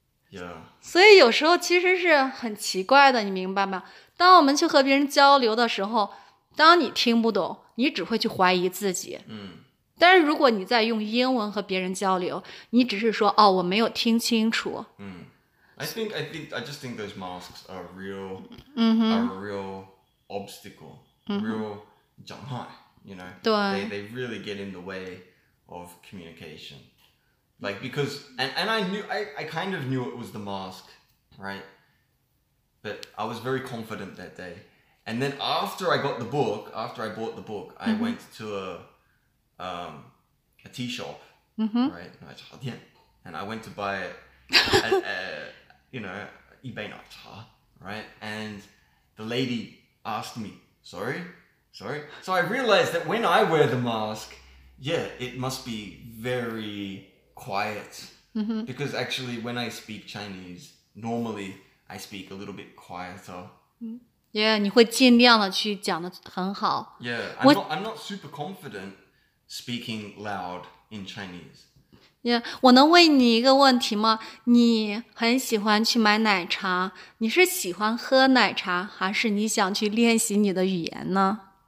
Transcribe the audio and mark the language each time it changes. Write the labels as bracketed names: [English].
[English] yeah. [Chinese] 所以有时候其实是很奇怪的你明白吗当我们去和别人交流的时候当你听不懂你只会去怀疑自己但是如果你在用英文和别人交流你只是说哦我没有听清楚 [English] I just think those masks are real a real obstacle real障碍You know, [Chinese] 对 [English] they really get in the way of communication. Like, because, and I knew, I kind of knew it was the mask, right? But I was very confident that day. And then after I bought the book, I went to a tea shop, right? And I went to buy it, you know, [Chinese] 一杯奶茶 [English] right? And the lady asked me, sorry? Sorry? So I realized that when I wear the mask, yeah, it must be very quiet. Because actually when I speak Chinese, normally I speak a little bit quieter. [Chinese] Yeah, 你会尽量的去讲得很好。 [English] Yeah, I'm not super confident speaking loud in Chinese. [Chinese] Yeah, 我能问你一个问题吗？你很喜欢去买奶茶，你是喜欢喝奶茶，还是你想去练习你的语言呢？